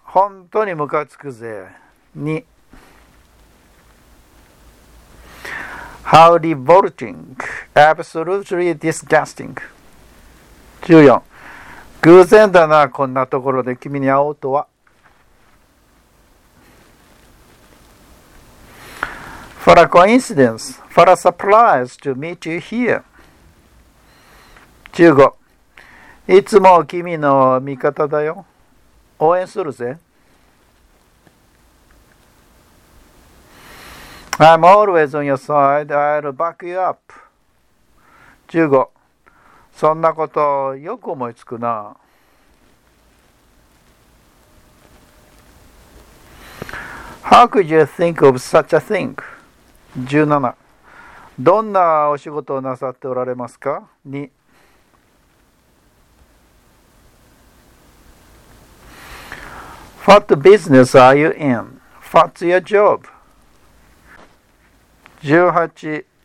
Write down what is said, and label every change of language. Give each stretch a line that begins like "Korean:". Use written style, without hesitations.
Japanese: 本当にムカつくぜ。2.
English: How revolting. Absolutely disgusting. 14.
Japanese: 偶然だな、こんなところで君に会おうとは。
English: For a coincidence, for a surprise to meet you here. 15.
Japanese: いつも君の味方だよ。応援するぜ。
English: I'm always on your side. I'll back you up. 15.
Japanese: そんなことよく思いつくな。
English: How could you think of such a thing? 17.
Japanese: どんなお仕事をなさっておられますか? 2.
English: What business are you in? What's your job? 18.